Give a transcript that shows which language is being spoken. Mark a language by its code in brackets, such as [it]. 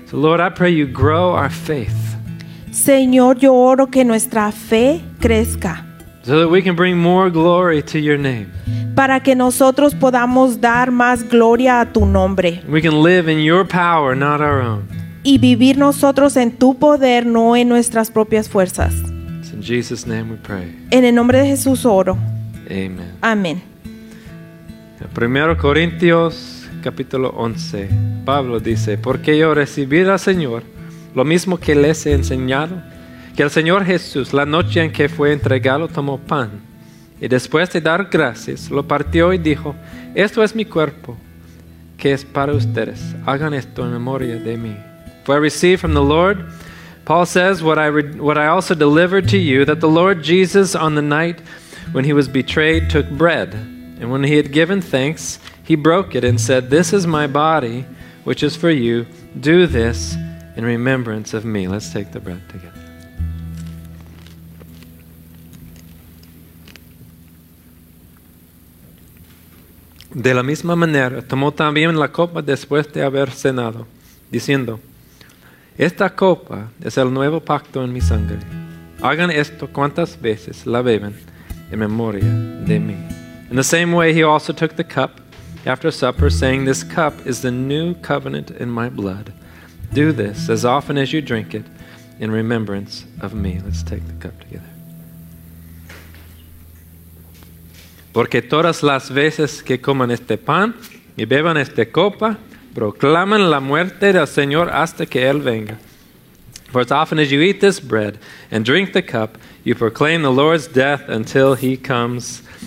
[en] So Lord, I pray you grow our faith. [es] Señor, yo oro que nuestra fe crezca. [en] So that we can bring more glory to your name. [es] Para que nosotros podamos dar más gloria a tu nombre. [en] We can live in your power, not our own. [es] Y vivir nosotros en tu poder, no en nuestras propias fuerzas. [en] It's in Jesus' name we pray. [es] En el nombre de Jesús oro. [en] Amen. [es] Amén. 1 Corintios capítulo 11. Pablo dice, porque yo recibí al Señor lo mismo que les he enseñado, que el Señor Jesús, la noche en que fue entregado, tomó pan. Y después de dar gracias, lo partió y dijo, esto es mi cuerpo, que es para ustedes. Hagan esto en memoria de mí. [en] for I received from the Lord. Paul says, what I also delivered to you, that the Lord Jesus, on the night when he was betrayed, took bread. And when he had given thanks, he broke it and said, this is my body, which is for you. Do this in remembrance of me. Let's take the bread together. [es] De la misma manera, tomó también la copa después de haber cenado, diciendo, esta copa es el nuevo pacto en mi sangre. Hagan esto cuantas veces la beben en memoria de mí. [en] In the same way, he also took the cup after supper, saying, this cup is the new covenant in my blood. Do this as often as you drink it in remembrance of me. Let's take the cup together. [es] Porque todas las veces que coman este pan y beban esta copa, proclaman la muerte del Señor hasta que Él venga. [en] For as often as you eat this bread and drink the cup, you proclaim the Lord's death until He comes.